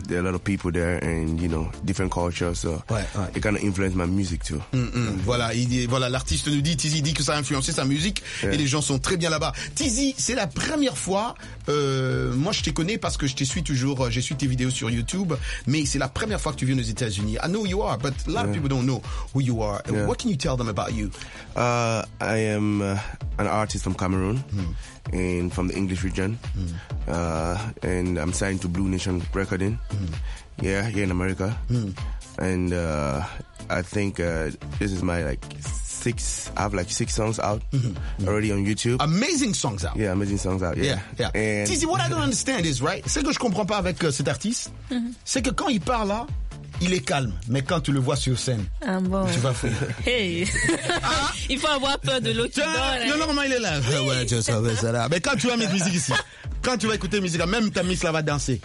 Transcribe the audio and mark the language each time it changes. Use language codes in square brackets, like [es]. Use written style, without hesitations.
[en] There are a lot of people there and you know different cultures, so ouais. It kind of influenced my music too. Mm-hmm. [fr] Voilà, l'artiste nous dit, Tizzy dit que ça a influencé sa musique et les gens sont très bien là-bas. Tizzy, c'est la première fois. Moi, je te connais parce que je te suis toujours, j'ai suivi tes vidéos sur YouTube, mais c'est la première fois que tu viens aux États-Unis. [en] I know who you are, but a lot of people don't know who you are. Yeah. What can you tell them about you? I am an artist from Cameroon and from the English region. And I'm signed to Blue Nation Recording. Here in America. And I think this is my six songs out already on YouTube. Amazing songs out. Yeah, amazing songs out. Yeah, yeah. Yeah. And... Tizzy, what I don't understand is, right? [fr] Ce que je comprends pas avec cet artiste, c'est que quand il parle là, il est calme, mais quand tu le vois sur scène, tu vas fou. Hey, il faut avoir peur de l'eau qui dort. Non, normalement, il est là. Ouais, tu vas savoir ça là. Mais quand tu vas mettre musique ici, quand tu vas écouter musique, même ta miss là va danser.